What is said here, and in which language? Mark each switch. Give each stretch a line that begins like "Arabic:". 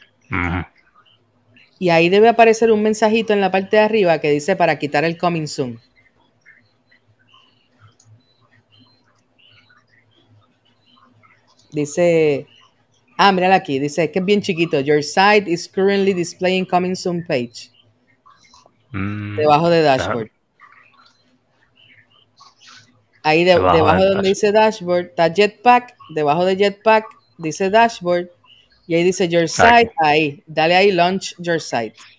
Spanish: Uh-huh. Y ahí debe aparecer un mensajito en la parte de arriba que dice para quitar el
English: coming soon.
Spanish: Dice. Ah, mírala aquí. Dice que es bien chiquito.
English: Your site is currently displaying coming soon page.
Spanish: Debajo de dashboard. Ahí debajo de donde dice dashboard, está Jetpack, debajo de Jetpack dice dashboard y ahí dice
English: your site,
Spanish: ahí. Dale ahí
English: launch your site.